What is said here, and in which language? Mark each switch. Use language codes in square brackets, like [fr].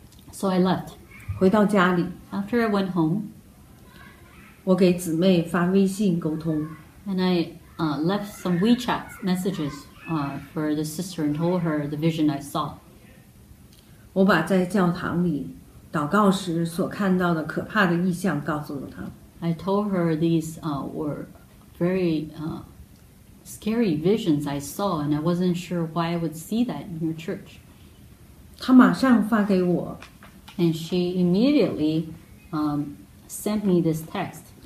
[en] So I left. [zh] 回到家里 [en] After I went home, [zh] 我给姊妹发微信沟通 [en] And I left some WeChat messages for the sister and told her the vision I saw. [zh] 我把在教堂里祷告时所看到的可怕的异象告诉了她 [en] I told her these were very scary visions I saw, and I wasn't sure why I would see that in your church. [zh] 她马上发给我 [en] And she immediately sent me this text.